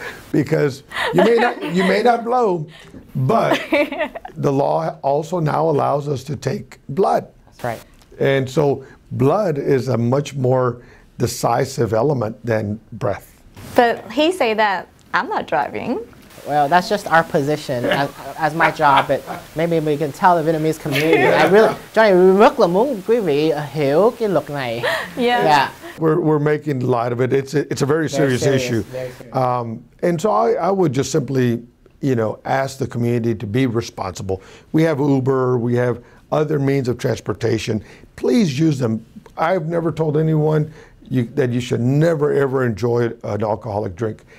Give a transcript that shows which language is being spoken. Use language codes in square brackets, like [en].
[en] Because you may not blow, but the law also now allows us to take blood. That's right. And so blood is a much more decisive element than breath. But he say that I'm not driving. Well, that's just our position as my job, but maybe we can tell the Vietnamese community. I really, [vi] Johnny, [en] we [vi] rất là muốn quý vị hiểu cái luật này. [en] Yeah. We're making light of it. It's a very serious issue. And so I would just simply, you know, ask the community to be responsible. We have Uber, we have other means of transportation. Please use them. I've never told anyone that you should never, ever enjoy an alcoholic drink.